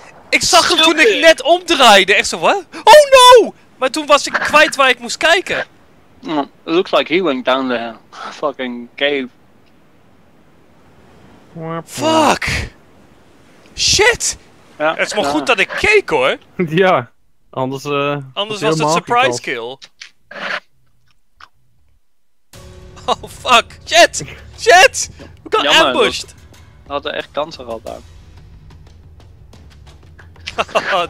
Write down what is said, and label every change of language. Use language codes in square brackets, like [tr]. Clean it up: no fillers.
[nl] Ik zag hem toen ik net omdraaide. Echt zo, wat? Oh no! Maar toen was ik kwijt waar ik moest kijken. [en] It looks like he went down the fucking cave. Fuck! Shit! [nl] Ja, het is maar goed dat ik keek, hoor. Ja, anders... anders was het surprise kill. [en] Oh fuck! Shit! Shit! We got ambushed! [nl] We hadden echt kansen gehad daar.